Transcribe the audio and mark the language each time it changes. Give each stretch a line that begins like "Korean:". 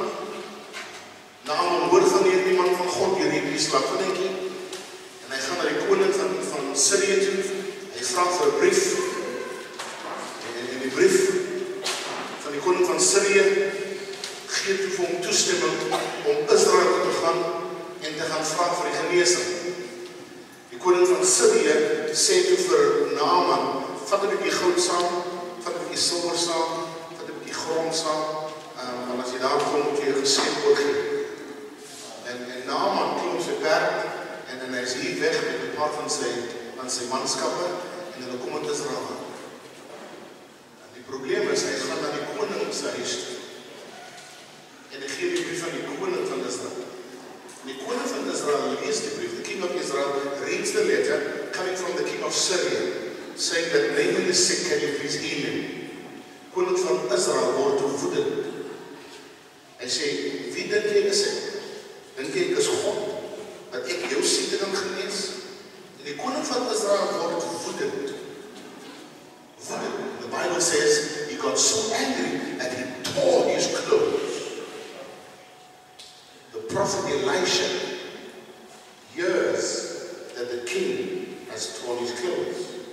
Afrikaans: Naam en woord van hierdie man van God, hierdie slag van ek. En hy gaan naar die koning van Syrië toe. Hy vraag vir 'n brief. En die brief die koning van Syrië gee toe vir hom toestemming om Israel te gaan en te gaan vraag vir die geneesing. Die koning van Syrië sê toe vir Naaman, vat 'n bietjie goud saam, vat 'n bietjie silwer saam, vat 'n bietjie grond saam, want as jy daar kom, moet jy 'n geskenk oorgee. En Naaman klim sy perd en hy is hier weg met 'n paar van sy manskappe en hulle kom in Israel. Die probleem is, hy gaan na die koning sy huis toe. En hy gee die brief aan die koning van Israel. Die koning van Israel lees die brief,
English: the king of Israel reads the letter coming from the king of Syria, saying that Naaman is sick, can you please heal him?
Afrikaans: Koning van Israel word woedend. Hy sê, wie dink jy is ek? Dink jy ek is God, dat ek jou siekte kan genees? En die koning van Israel word woedend.
English: The Bible says he got so angry that he tore his clothes. The prophet Elisha hears that the king has torn his clothes.